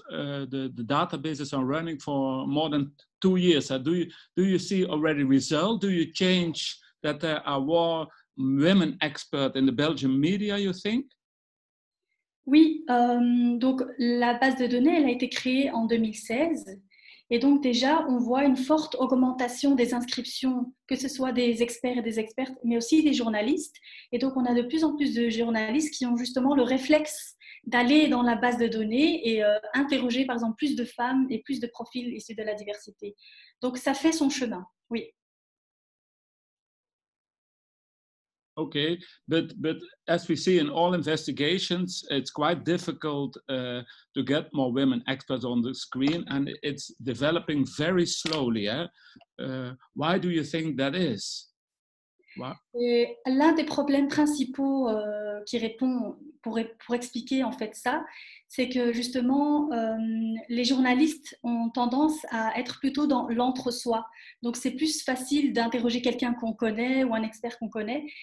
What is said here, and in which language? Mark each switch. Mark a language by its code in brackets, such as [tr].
[en] The databases are running for more than 2 years. Do you see already result? Do you change that there are more women experts in the Belgian media, you think? [fr] Oui, donc la base de données, elle a été créée en 2016. Et donc déjà, on voit une forte augmentation des inscriptions, que ce soit des experts et des expertes, mais aussi des journalistes. Et donc, on a de plus en plus de journalistes qui ont justement le réflexe d'aller dans la base de données et interroger, par exemple, plus de femmes et plus de profils issus de la diversité. Donc, ça fait son chemin, oui. [en] Okay, but as we see in all investigations, it's quite difficult to get more women experts on the screen, and it's developing very slowly. Why do you think that is? [fr] Et l'un des problèmes principaux qui répond pour expliquer en fait ça, c'est que justement les journalistes ont tendance à être plutôt dans l'entre-soi. Donc c'est plus facile d'interroger quelqu'un qu'on connaît ou un expert qu'on connaît.